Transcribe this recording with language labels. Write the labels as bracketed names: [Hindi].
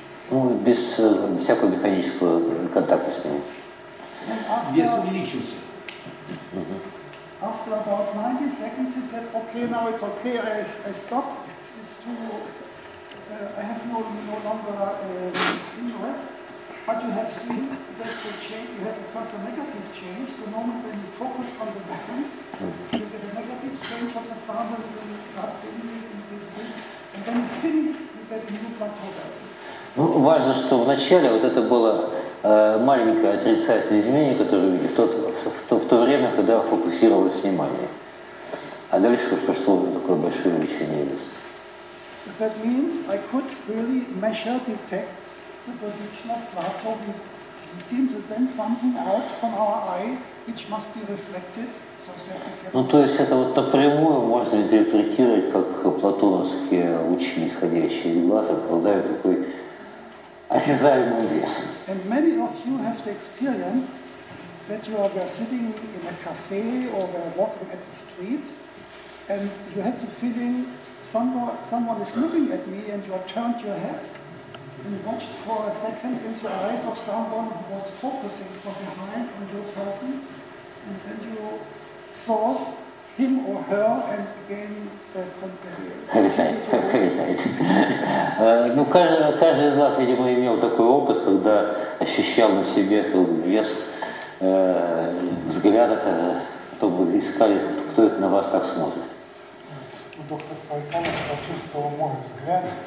[Russian] Ну, без всякого механического контакта с ними. Вес увеличился. Mm-hmm. [English] After about 90 seconds, he said, "Okay, now it's okay. I stop. It's too. I have no longer interest. But you have seen that the change. You have first a negative change. The moment when you focus on the balance, mm-hmm. you get a negative change of the sound, and then it starts to increase. And when it finishes, you get a new plateau." [Russian] Ну, важно, что вначале вот это было маленькое отрицательное изменение, которое увидели в то время, когда фокусировалось внимание. А дальше пошло такое большое увеличение вес. [English] That means I could really measure, detect the position of plateau. We seem to send something out from our eye, which must be reflected. [Russian] Ну, то есть это вот напрямую можно интерпретировать, как платоновские лучи, исходящие из глаз, обладают такой осязаемым весом. [English] And many of you have the experience that you are sitting in a cafe or were walking at the street, and you had the feeling someone is looking at me, and you turned your head and watched for a second in the eyes of someone who was focusing from behind on your person, and then you saw him or her, and again. Heaviside. [Russian] Ну, каждый из вас, видимо, имел такой опыт, когда ощущал на себе вес взгляда, то вы искали, кто это на вас так смотрит. Доктор Файканов почувствовал мой взгляд.